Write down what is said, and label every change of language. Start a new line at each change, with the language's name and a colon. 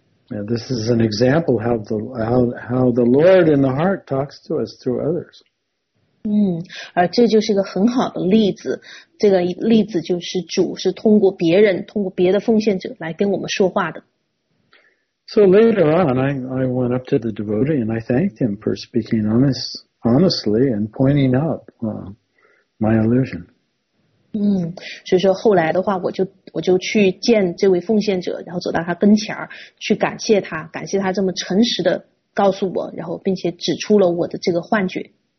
English: Yeah, this is an example how the Lord in the heart talks to us through others.
Chinese: 而这就是一个很好的例子，这个例子就是主是通过别人，通过别的奉献者来跟我们说话的。
English: So later on, I went up to the devotee and I thanked him for speaking honestly and pointing out my illusion.
Chinese: 所以说后来的话，我就去见这位奉献者，然后走到他跟前儿，去感谢他，感谢他这么诚实的告诉我，然后并且指出了我的这个幻觉。